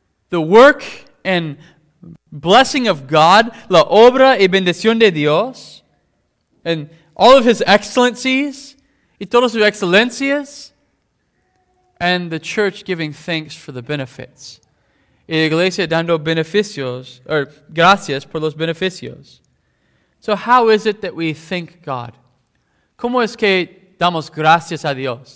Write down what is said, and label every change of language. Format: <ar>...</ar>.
<en>The work and blessing of God,</en> <es>la obra y bendición de Dios,</es> <en>and all of his excellencies,</en> <es>y todas sus excelencias,</es> <en>and the church giving thanks for the benefits.</en> <es>Y la iglesia dando beneficios, or gracias por los beneficios.</es> <en>So how is it that we thank God?</en> <es>¿Cómo es que damos gracias a Dios?</es>